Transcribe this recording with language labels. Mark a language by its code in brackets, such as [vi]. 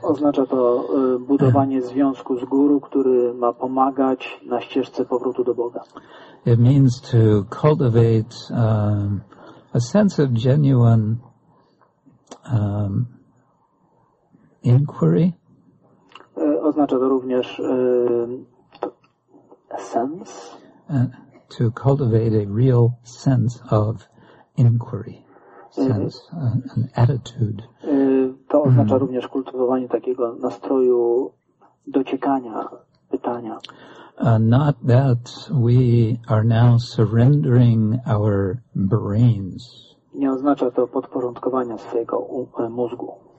[pl] Oznacza to budowanie związku z guru, który ma pomagać na ścieżce powrotu do Boga. [en] It means to cultivate a sense of genuine inquiry. [pl] Oznacza to również sense. [en] To cultivate a real sense of inquiry. Sense, an attitude. [pl] To oznacza również kultywowanie takiego nastroju dociekania, pytania. [en] Not that we are now surrendering our brains. [pl] Nie oznacza to podporządkowania swojego mózgu.